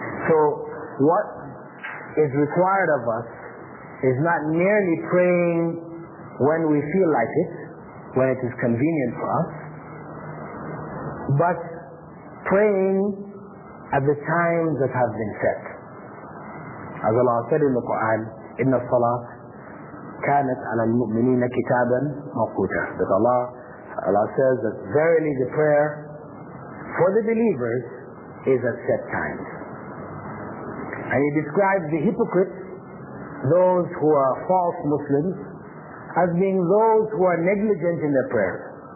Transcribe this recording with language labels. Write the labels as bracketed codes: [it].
[en] So what is required of us is not merely praying when we feel like it, when it is convenient for us, but praying at the times that have been set. As Allah said in the Quran, [ar] إِنَّ الصَّلَاةِ كَانَتْ عَلَى الْمُؤْمِنِينَ كِتَابًا مَقْوْتًا. [en] That Allah says that verily the prayer for the believers is at set times. And He describes the hypocrites, those who are false Muslims, as being those who are negligent in their prayer.